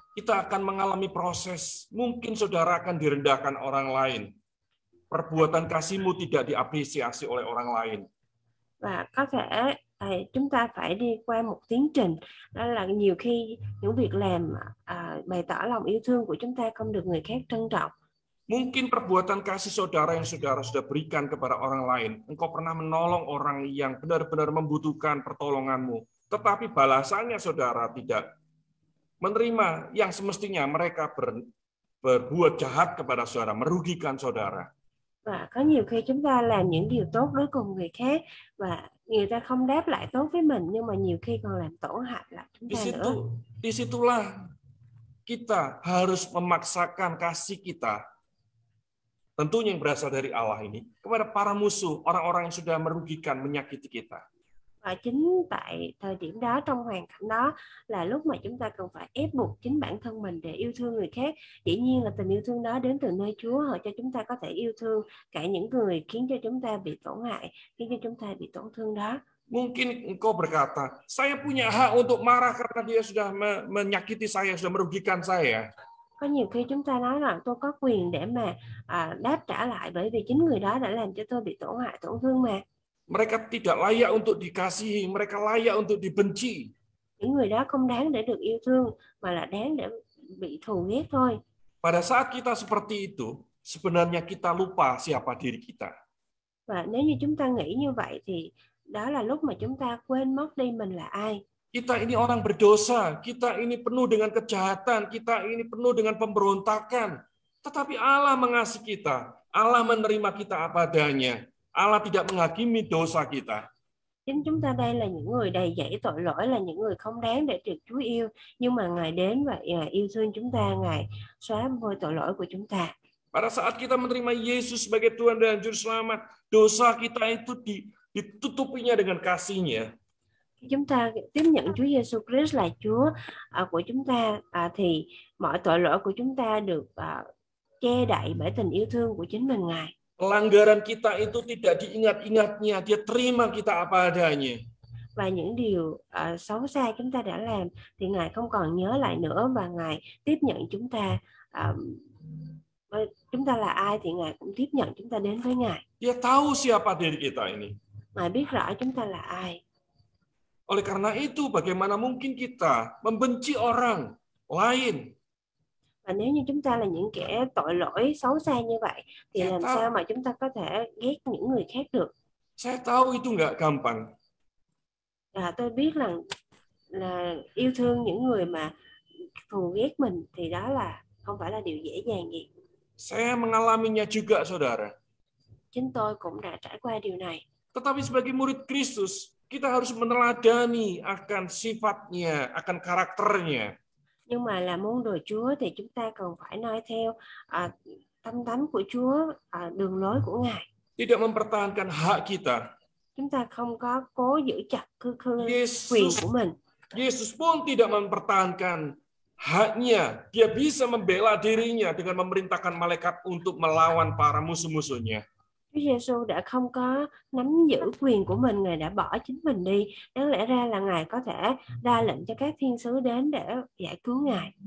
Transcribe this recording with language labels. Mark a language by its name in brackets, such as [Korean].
[Indonesian] Kita akan mengalami proses. Mungkin saudara akan direndahkan orang lain. Perbuatan kasihmu tidak diapresiasi oleh orang lain. [Vietnamese] Và có thể chúng ta phải đi qua một tiến trình. Đó là nhiều khi những việc làm bày tỏ lòng yêu thương của chúng ta không được người khác trân trọng. [Indonesian] Mungkin perbuatan kasih saudara yang saudara sudah berikan kepada orang lain. Engkau pernah menolong orang yang benar-benar membutuhkan pertolonganmu. Tetapi balasannya saudara tidak menerima yang semestinya mereka berbuat jahat kepada saudara, merugikan saudara. [Vietnamese] Và có nhiều khi chúng ta làm những điều tốt đối cùng người khác và người ta không đáp lại tốt với mình, nhưng mà nhiều khi còn làm tổn hại lại chúng ta nữa. [Indonesian] Disitulah kita harus memaksakan kasih kita, tentunya yang berasal dari Allah ini, kepada para musuh, orang-orang yang sudah merugikan, menyakiti kita. [Vietnamese] Và chính tại thời điểm đó, trong hoàn cảnh đó, là lúc mà chúng ta cần phải ép buộc chính bản thân mình để yêu thương người khác. Dĩ nhiên là tình yêu thương đó đến từ nơi Chúa, họ cho chúng ta có thể yêu thương cả những người khiến cho chúng ta bị tổn hại, khiến cho chúng ta bị tổn thương đó. [Indonesian] Mungkin engkau berkata, saya punya hak untuk marah karena dia sudah menyakiti saya, sudah merugikan saya. [Vietnamese] Có nhiều khi chúng ta nói rằng tôi có quyền để mà đáp trả lại bởi vì chính người đó đã làm cho tôi bị tổn hại, tổn thương mà. [Indonesian] Mereka tidak layak untuk dikasihi, mereka layak untuk dibenci. [Vietnamese] Những người đó không đáng để được yêu thương mà là đáng để bị thù ghét thôi. [Indonesian] Pada saat kita seperti itu, sebenarnya kita lupa siapa diri kita. [Vietnamese] Và nếu như chúng ta nghĩ như vậy thì đó là lúc mà chúng ta quên mất đi mình là ai. [Indonesian] Kita ini orang berdosa, kita ini penuh dengan kejahatan, kita ini penuh dengan pemberontakan. Tetapi Allah mengasihi kita, Allah menerima kita apa adanya. Allah tidak menghakimi dosa kita. [Vietnamese] Chính chúng ta đây là những người đầy dẫy tội lỗi, là những người không đáng để được Chúa yêu, nhưng mà Ngài đến và yêu thương chúng ta, Ngài xóa mọi tội lỗi của chúng ta. [Indonesian] Pada saat kita menerima Yesus sebagai Tuhan dan Juruselamat, dosa kita itu ditutupinya dengan kasih-Nya. [Vietnamese] Chúng ta tiếp nhận Chúa Giêsu Christ là Chúa của chúng ta thì mọi tội lỗi của chúng ta được che đậy bởi tình yêu thương của chính mình Ngài. [Indonesian] Pelanggaran kita itu tidak diingat-ingatnya, dia terima kita apa adanya. [Vietnamese] Và những điều xấu xa chúng ta đã làm thì Ngài không còn nhớ lại nữa, và Ngài tiếp nhận chúng ta. Chúng ta là ai thì Ngài cũng tiếp nhận chúng ta đến với Ngài. [Indonesian] Dia tahu siapa diri kita ini. [Vietnamese] Ngài biết rõ chúng ta là ai. [Indonesian] Oleh karena itu, bagaimana mungkin kita membenci orang lain? [Vietnamese] Và nếu như chúng ta là những kẻ tội lỗi xấu xa như vậy thì làm sao mà chúng ta có thể ghét những người khác được? [Indonesian] Saya tahu itu enggak gampang. [Vietnamese] Tôi biết rằng là yêu thương những người mà thù ghét mình thì đó là không phải là điều dễ dàng gì. [Indonesian] Saya mengalaminya juga, saudara. [Vietnamese] Chính tôi cũng đã trải qua điều này. [Indonesian] Tetapi sebagai murid Kristus, kita harus meneladani akan sifatnya, akan karakternya. [Vietnamese] Nhưng mà là môn đồ Chúa thì chúng ta cần phải noi theo tâm tánh của Chúa, đường lối của Ngài. [Indonesian] Tidak mempertahankan hak kita. [Vietnamese] Chúng ta không có cố giữ chặt quyền của mình. [Indonesian] Yesus pun tidak mempertahankan haknya. Dia bisa membela dirinya dengan memerintahkan malaikat untuk melawan para musuh-musuhnya. [Vietnamese] Chúa Giêsu đã không có nắm giữ quyền của mình, Ngài đã bỏ chính mình đi. Đáng lẽ ra là Ngài có thể ra lệnh cho các thiên sứ đến để giải cứu Ngài.